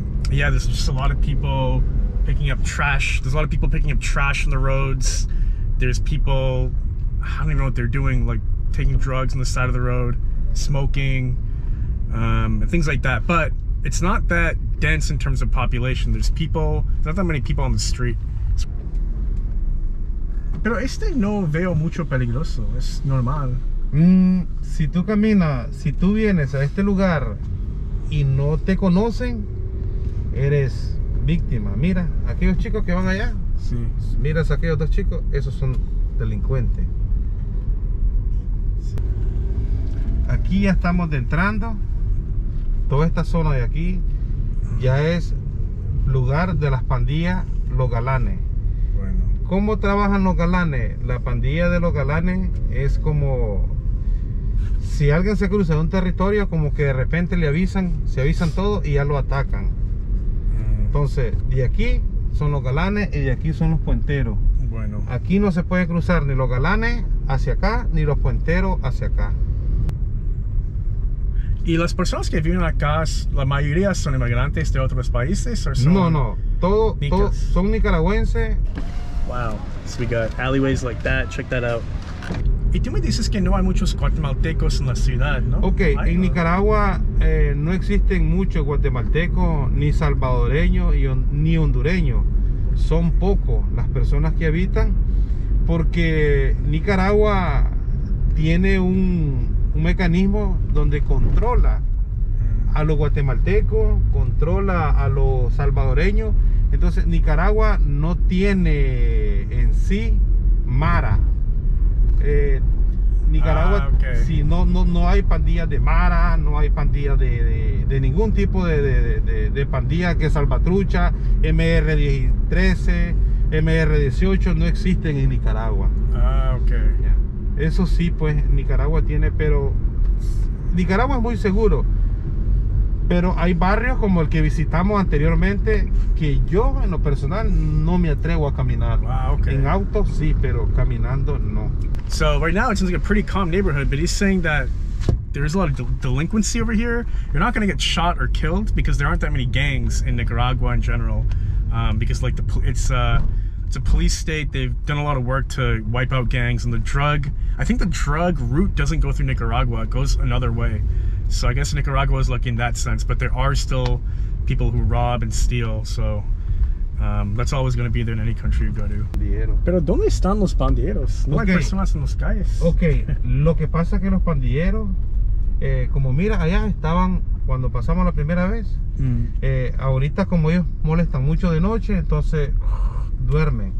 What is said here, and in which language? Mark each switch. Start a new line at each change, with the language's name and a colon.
English: Yeah, there's just a lot of people picking up trash. There's a lot of people picking up trash on the roads. There's people, I don't even know what they're doing, like taking drugs on the side of the road, smoking, and things like that. But it's not that dense in terms of population. There's people, not that many people on the street.
Spanish: Pero este no veo mucho peligroso, es normal. Si tú caminas, si tú vienes a este lugar y no te conocen, eres víctima. Mira, aquellos chicos que van allá, sí. Miras a aquellos dos chicos, esos son delincuentes. Sí. Aquí ya estamos entrando, toda esta zona de aquí ya es lugar de las pandillas Los Galanes. ¿Cómo trabajan Los Galanes? La pandilla de Los Galanes es como, si alguien se cruza en un territorio, como que de repente le avisan, se avisan todo y ya lo atacan. Entonces, de aquí son Los Galanes y de aquí son los puenteros. Bueno. Aquí no se puede cruzar ni Los Galanes hacia acá, ni los puenteros hacia acá. ¿Y las personas que viven acá, la mayoría son inmigrantes de otros países? ¿O son? No, no. Todos son nicaragüenses.
English: Wow, so we got alleyways like that, check that out.
Spanish: Y tú me dices que no hay muchos guatemaltecos en la ciudad, ¿no? Ok, en Nicaragua no existen muchos guatemaltecos, ni salvadoreños, ni hondureños. Son pocos las personas que habitan, porque Nicaragua tiene un mecanismo donde controla a los guatemaltecos, controla a los salvadoreños. Entonces, Nicaragua no tiene en sí mara. Nicaragua, sí, no hay pandillas de mara, no hay pandillas de ningún tipo de pandilla, que salvatrucha, MR-13, MR-18, no existen en Nicaragua. Ah, ok. Eso sí, pues, Nicaragua tiene, pero Nicaragua es muy seguro. Pero hay barrios como el que visitamos anteriormente que yo en lo personal no me atrevo a caminar.
English: Wow, okay.
Spanish: En auto sí, pero caminando no.
English: So right now it seems like a pretty calm neighborhood, but he's saying that there is a lot of delinquency over here. You're not going to get shot or killed because there aren't that many gangs in Nicaragua in general, because like it's a police state. They've done a lot of work to wipe out gangs, and I think the drug route doesn't go through Nicaragua. It goes another way. So I guess Nicaragua is lucky in that sense, but there are still people who rob and steal, so that's always going to be there in any country you go to.
Spanish: Pero ¿dónde están los pandilleros? No hay personas en las calles. Okay, lo que pasa es que los pandilleros, como mira, allá estaban cuando pasamos la primera vez, ahorita como ellos molestan mucho de noche, entonces duermen.